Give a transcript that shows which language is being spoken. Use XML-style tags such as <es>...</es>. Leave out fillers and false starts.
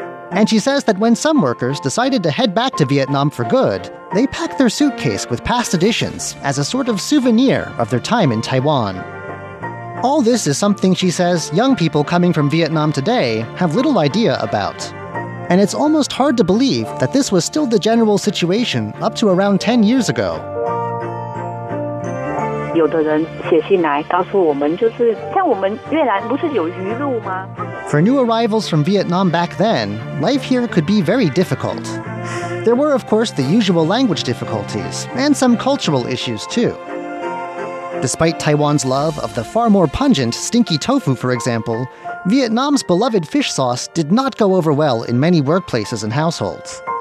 <en>And she says that when some workers decided to head back to Vietnam for good, they packed their suitcase with past editions as a sort of souvenir of their time in Taiwan. All this is something, she says, young people coming from Vietnam today have little idea about. And it's almost hard to believe that this was still the general situation up to around 10 years ago.</en> <zh>有的人写信来告诉我们，就是像我们越南不是有鱼露吗？</zh> <en>For new arrivals from Vietnam back then, life here could be very difficult. There were, of course, the usual language difficulties and some cultural issues too. Despite Taiwan's love of the far more pungent stinky tofu, for example, Vietnam's beloved fish sauce did not go over well in many workplaces and households.</en>